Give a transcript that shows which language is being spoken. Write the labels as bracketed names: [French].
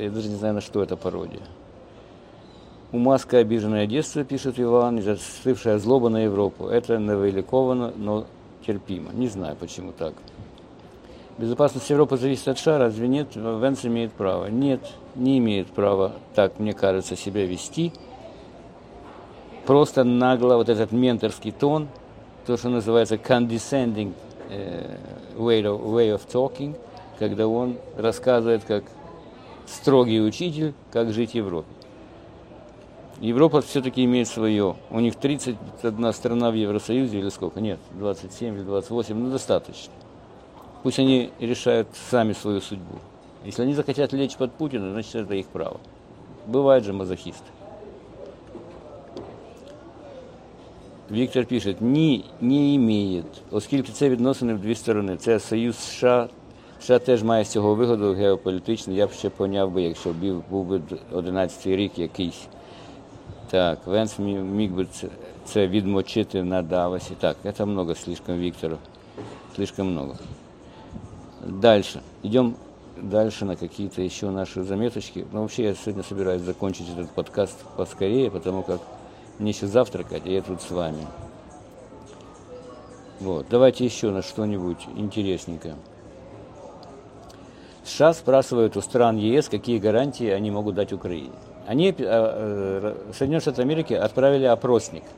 [Ukrainian] Я навіть не знаю, на що це пародія. У Маска обіжене дійство, пише Іван, і застигла злоба на Європу. Це невиліковано, але терпимо. Не знаю, чому так. Безпечність Європи залежить від США, разве ні? Венс має право. Ні, не має права так, мені кажеться, себе вести. [Russian] Просто нагло вот этот менторский тон, то, что называется [English] condescending way of talking, [Russian] когда он рассказывает, как строгий учитель, как жить в Европе. Европа все-таки имеет свое. У них 31 страна в Евросоюзе или сколько? Нет, 27 или 28, ну достаточно. Пусть они решают сами свою судьбу. Если они захотят лечь под Путина, значит это их право. Бывают же мазохисты. [Ukrainian] Віктор пише, ні, не має, оскільки це відносини в дві сторони. Це Союз США, США теж має з цього вигоду геополітично. Я б ще поняв би, якщо був би 11-й рік якийсь. Так, Венс міг би це відмочити на Давосі. Так, це [Russian] много слишком, [Ukrainian] Віктору, [Russian] слишком много. [Ukrainian] Дальше, йдемо далі на якісь ще наші заметочки. Ну, взагалі, я сьогодні збираюся закінчити цей подкаст поскорее, тому як... [Russian] Мне сейчас завтракать, а я тут с вами. Вот, давайте еще на что-нибудь интересненькое. США спрашивают у стран ЕС, какие гарантии они могут дать Украине. Они, Соединенные Штаты Америки, отправили опросник.